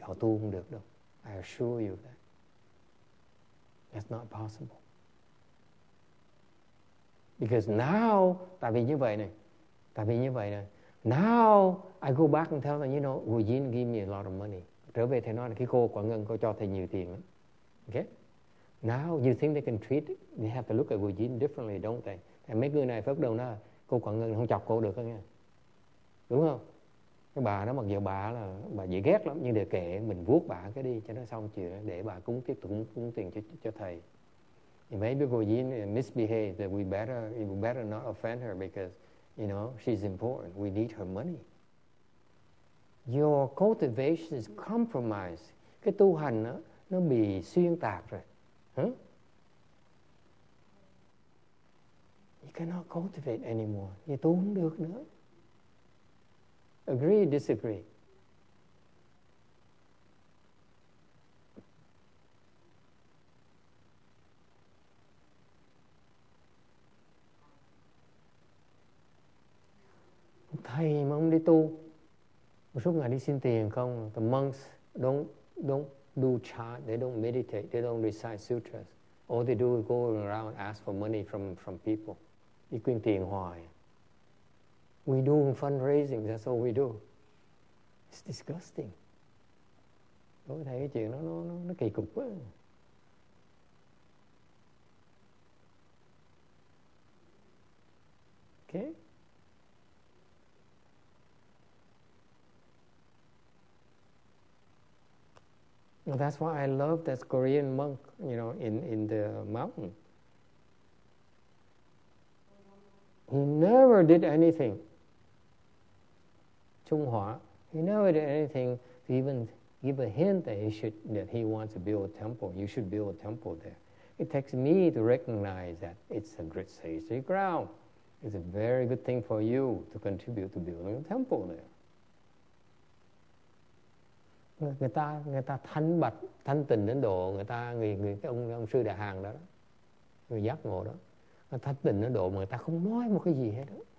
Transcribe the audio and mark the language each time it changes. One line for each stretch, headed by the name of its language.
Vietnamese: Họ tu không được đâu.
English: I assure you that. That's not possible. Because now,
Vietnamese: tại vì như vậy này,
English: now I go back and tell them, you know, Guyin give me a lot of money.
Vietnamese: Trở về thầy nói là cái cô Quả Ngân có cho thầy nhiều tiền lắm.
English: Okay? Now you think they can treat, they have to look at Guyin differently, don't they?
Vietnamese: Thầy mấy người này phải bắt đầu nói, cô Quả Ngân không chọc cô được đó nha. Đúng không? Cái bà đó mặc dù bà là bà dễ ghét lắm, nhưng để kệ, mình vuốt bà cái đi cho nó xong chuyện, để bà cúng tiếp tục cúng tiền cho thầy.
English: Maybe Guyin misbehaved that we better not offend her because, you know, she's important. We need her money. Your cultivation is compromised.
Vietnamese: Cái tu hành đó, nó bị xuyên tạc rồi. Huh?
English: You cannot cultivate anymore. You
Vietnamese: tu không được nữa.
English: Agree, disagree.
Vietnamese: Thầy mà không đi tu, một số ngày đi xin tiền không.
English: The monks don't do chant, they don't meditate, they don't recite sutras. All they do is go around ask for money from people.
Vietnamese: Đi quyên tiền hoài.
English: We do fundraising, that's all we do. It's disgusting.
Vietnamese: Tôi thấy cái chuyện nó kỳ cục quá.
English: Okay. That's why I love that Korean monk, you know, in the mountain. He never did anything. Trung Hoa, he never did anything to even give a hint that he wants to build a temple. You should build a temple there. It takes me to recognize that it's a great sacred ground. It's a very good thing for you to contribute to building a temple there.
Vietnamese: Người ta thanh bạch, thanh tịnh đến độ, người cái ông sư Đà Hàng đó, người giác ngộ đó, người thanh tịnh đến độ mà người ta không nói một cái gì hết đó.